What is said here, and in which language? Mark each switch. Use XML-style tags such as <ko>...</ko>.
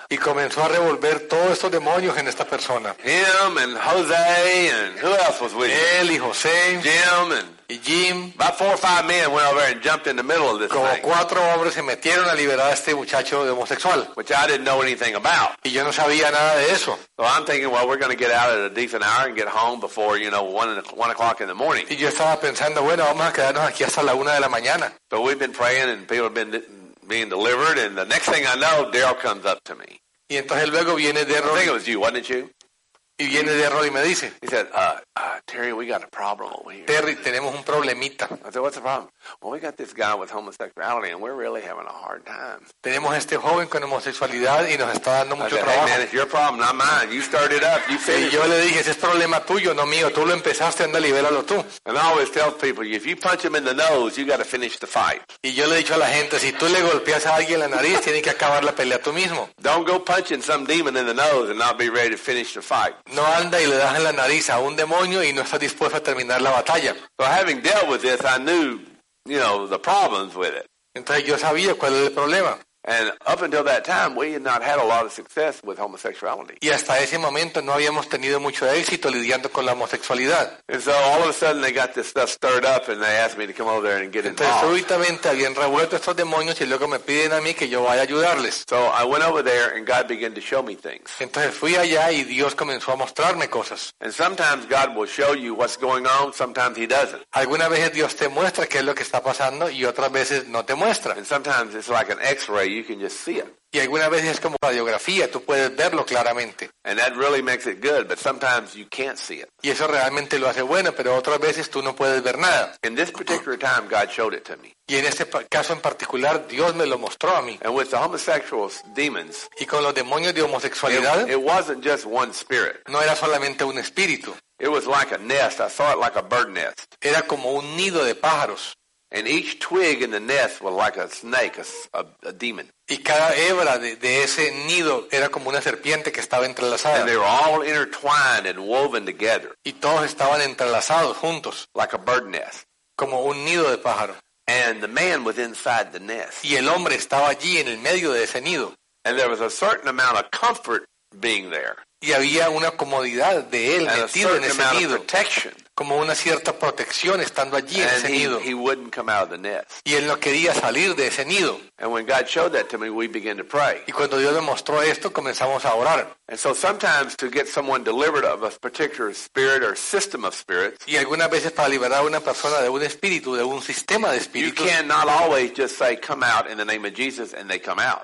<es>Y comenzó a revolver todos estos demonios en esta persona.</es> <en>Him and Jose and who else was with him?</en> <es>Él y José.</es> <en>Jim and Jim. About 4 or 5 men went over and jumped in the middle of this</en> <es>como</es> <en>thing.</en> <es>Como 4 hombres se metieron a liberar a este muchacho de homosexual.</es> <en>Which I didn't know anything about.</en> <es>Y yo no sabía nada de eso.</es> <en>So I'm thinking, well, we're going to get out at a decent hour and get home before, you know, 1 o'clock in the morning.</en> <es>Y yo estaba pensando, bueno, vamos a quedarnos aquí hasta la 1 de la mañana.</es> <en>But we've been praying and people have been being delivered, and the next thing I know, Daryl comes up to me.</en> <es>Y entonces luego viene Daryl.</es> <en>I think it was you, wasn't it you?</en> <es>Y viene de Rod y me dice,</es> <en>he said, Terry, we got a problem over here.</en> <es>Terry, tenemos un problemita.</es> <en>I said, what's the problem? Well, we got this guy with homosexuality, and we're really having a hard time.</en> <es>Tenemos este joven con homosexualidad y nos está dando mucho trabajo.</es> <en>Hey, man, it's your problem, not mine. You started up. You finished.</en> <es>Y yo le dije, ese es problema tuyo, no mío. Tú lo empezaste, anda, libéralo tú.</es> <en>And I always tell people, if you punch him in the nose, you got to finish the fight.</en> <es>Y yo le he dicho a la gente, si tú le golpeas a alguien en la nariz, tienes que acabar la pelea tú mismo.</es> <en>Don't go punching some demon in the nose and not be ready to finish the fight.</en> <es>No anda y le das en la nariz a un demonio y no estás dispuesto a terminar la batalla.</es> <en>So having dealt with this, I knew, you know, the problems with it.</en> <es>Entonces yo sabía cuál era el problema.</es> <en>And up until that time, we had not had a lot of success with homosexuality.</en> <es>Y hasta ese momento no habíamos tenido mucho éxito lidiando con la homosexualidad.</es> <en>And so all of a sudden they got this stuff stirred up and they asked me to come over there and get involved.</en> <es>Entonces súbitamente habían revuelto estos demonios y luego me piden a mí que yo vaya a ayudarles.</es> <en>So I went over there and God began to show me things.</en> <es>Entonces fui allá y Dios comenzó a mostrarme cosas.</es> <en>And sometimes God will show you what's going on, sometimes he doesn't.</en> <es>Algunas veces Dios te muestra qué es lo que está pasando y otras veces no te muestra.</es> <en>And sometimes it's like an x-ray. You can just see it.</en> <es>Y algunas veces es como radiografía, tú puedes verlo claramente.</es> <en>And that really makes it good, but sometimes you can't see it.</en> <es>Y eso realmente lo hace bueno, pero otras veces tú no puedes ver nada.</es> <en>In this particular time, God showed it to me.</en> <es>Y en este caso en particular, Dios me lo mostró a mí.</es> <en>And with the homosexuals, demons.</en> <es>Y con los demonios de homosexualidad.</es> <en>It wasn't just one spirit.</en> <es>No era solamente un espíritu.</es> <en>It was like a nest. I saw it like a bird nest.</en> <es>Era como un nido de pájaros.</es> <en>And each twig in the nest was like a snake, a demon.</en> <es>Y cada hebra de ese nido era como una serpiente que estaba entrelazada.</es> <en>And they were all intertwined and woven together.</en> <es>Y todos estaban entrelazados juntos.</es> <en>Like a bird nest.</en> <es>Como un nido de pájaro.</es> <en>And the man was inside the nest.</en> <es>Y el hombre estaba allí en el medio de ese nido.</es> <en>And there was a certain amount of comfort being there.</en> <es>Y había una comodidad de él</es> <en>and</en> <es>metido en ese nido.</es> <en>Of protection.</en> <es>Como una cierta protección estando allí</es> <en>and</en> <es>en ese nido.</es> <en>He wouldn't come out of the nest.</en> <es>Y él no quería salir de ese nido.</es> <en>And when God showed that to me, we began to pray.</en> <es>Y cuando Dios me mostró esto, comenzamos a orar.</es> <en>And so sometimes to get someone delivered of a particular spirit or system of spirits.</en> <es>Y algunas veces para liberar a una persona de un espíritu, de un sistema de espíritus.</es> <en>You cannot always just say, "Come out in the name of Jesus," and they come out.</en>